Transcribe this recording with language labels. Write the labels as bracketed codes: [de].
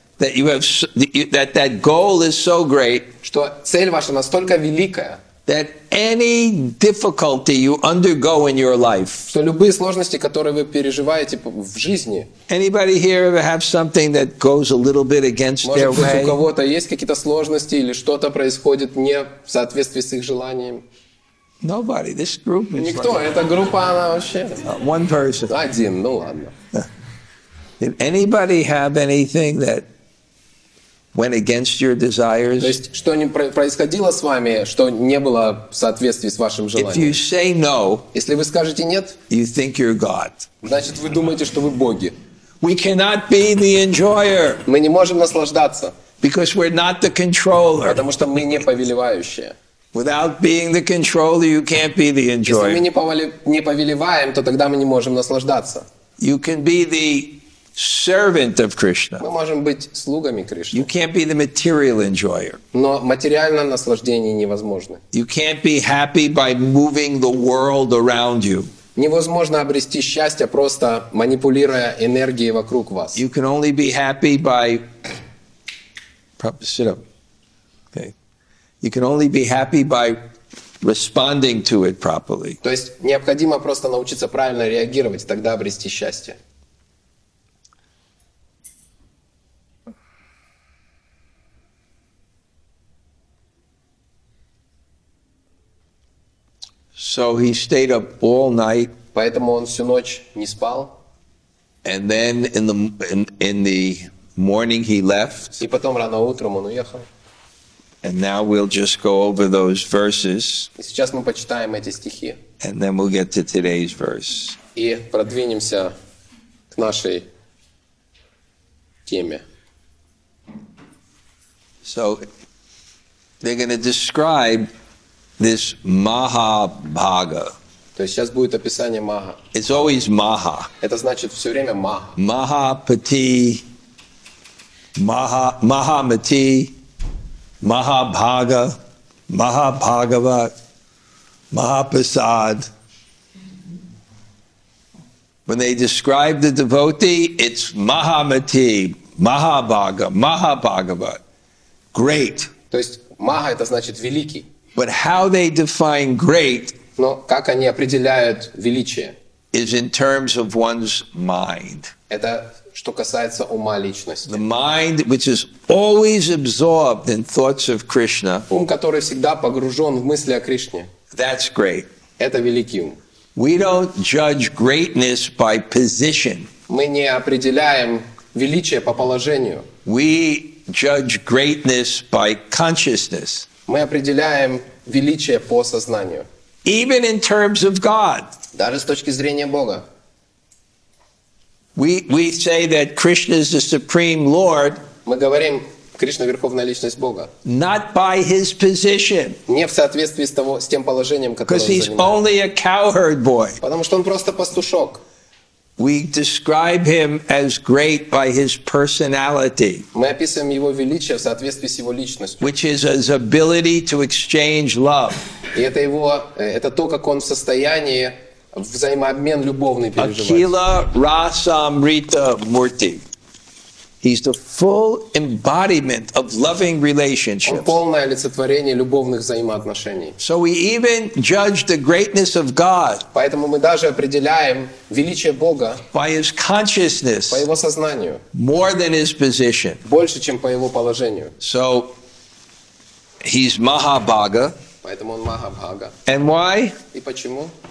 [en] That you have that goal is so great. [ru] Что цель ваша настолько великая. [en] That any difficulty you undergo in your life. [ru] Что любые сложности, которые вы переживаете в жизни. [en] Anybody here ever have something that goes a little bit against their way? [ru] Может быть, у кого-то есть какие-то сложности или что-то происходит не в соответствии с их желанием. [en] Nobody. This group is. [ru] Никто. [en] Like... [ru] Эта группа она вообще. [en] One person. [ru] Один. Ну ладно. [en] Did anybody have anything that went against your desires? [ru] То есть что не происходило с вами, что не было в соответствии с вашим желанием? [en] If you say no, [ru] если вы скажете нет, [en] you think you're God. [ru] Значит, вы думаете, что вы боги. [en] We cannot be the enjoyer. [ru] Мы не можем наслаждаться. [en] Because we're not the controller. [ru] Потому что мы не повелевающие. [en] Without being the controller, you can't be the enjoyer. [ru] Если мы не повелеваем, то тогда мы не можем наслаждаться. [en] You can be the servant of Krishna. [ru] Мы можем быть слугами Кришны. [en] You can't be the material enjoyer. [ru] Но материальное наслаждение невозможно. [en] You can't be happy by moving the world around you. [ru] Невозможно обрести счастье просто манипулируя энергией вокруг вас. [en] You can only be happy by. Sit up. Okay. You can only be happy by responding to it properly. [ru] То есть необходимо просто научиться правильно реагировать, тогда обрести счастье. [en] So he stayed up all night. [ru] Поэтому он всю ночь не спал. [en] And then in the morning he left. [ru] И потом рано утром он уехал. [en] And now we'll just go over those verses. [ru] И сейчас мы почитаем эти стихи. [en] And then we'll get to today's verse. [ru] И продвинемся к нашей теме. [en] So they're going to describe this Mahabhaga. [ru] То есть сейчас будет описание Маха. [en] It's always Maha. [ru] Это значит все время Маха. [sa] Mahapati, Mahamati, Mahabhaga, Mahabhagava, Mahaprasad. [en] When they describe the devotee, it's Mahamati, Mahabhaga, Mahabhagava. Great. [ru] То есть Маха это значит великий. [en] But how they define great, [ru] но как они определяют величие, [en] is in terms of one's mind. [ru] Это что касается ума личности. [en] The mind which is always absorbed in thoughts of Krishna. [ru] Ум, который всегда погружен в мысли о Кришне. [en] That's great. [ru] Это великий ум. [en] We don't judge greatness by position. [ru] Мы не определяем величие по положению. [en] We judge greatness by consciousness. [ru] Мы определяем величие по сознанию. [en] Even in terms of God. [ru] Даже с точки зрения Бога. [en] We say that Krishna is the Supreme Lord. [ru] Мы говорим, Кришна верховная личность Бога. [en] Not by his position. [ru] Не в соответствии с тем положением, которое он занимает. [en] Because he's only a cowherd boy. [ru] Потому что он просто пастушок. [en] We describe him as great by his personality. [ru] Мы описываем его величие в соответствии с его личностью. [en] Which is his ability to exchange love. [ru] И это то, как он в состоянии взаимообмен любовный переживать. [sa] Akhila Rasamrita Murti. [en] He's the full embodiment of loving relationships. [ru] Он полное олицетворение любовных взаимоотношений. [en] So we even judge the greatness of God. [ru] Поэтому мы даже определяем величие Бога. [en] By his consciousness. [ru] По его сознанию. [en] More than his position. [ru] Больше, чем по его положению. [en] So he's Mahabhaga. [ru] Поэтому он Mahabhaga. [en] And why? [ru] И почему?